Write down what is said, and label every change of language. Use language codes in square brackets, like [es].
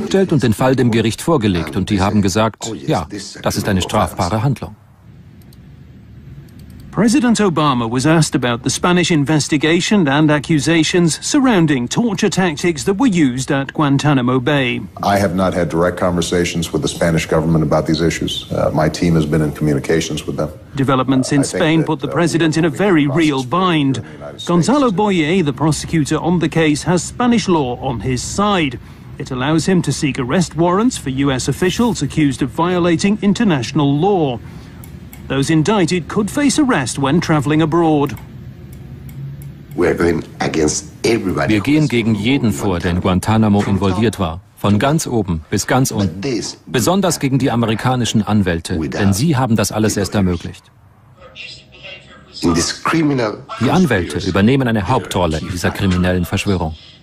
[de] Und den Fall dem Gericht vorgelegt und die haben gesagt, ja, das ist eine strafbare Handlung. [en] President Obama was asked about the Spanish investigation and accusations surrounding torture tactics that were used at Guantanamo Bay. I have not had direct conversations with the Spanish government about these issues. My team has been in communications with them. Developments in Spain put the president in a very real bind. Gonzalo Boyer, the prosecutor on the case, has Spanish law on his side. It allows him to seek arrest warrants for U.S. officials accused of violating international law. Those indicted could face arrest when traveling abroad. [de] Wir gehen gegen jeden vor, der in Guantanamo involviert war, von ganz oben bis ganz unten. Besonders gegen die amerikanischen Anwälte, denn sie haben das alles erst ermöglicht. Die Anwälte übernehmen eine Hauptrolle in dieser kriminellen Verschwörung.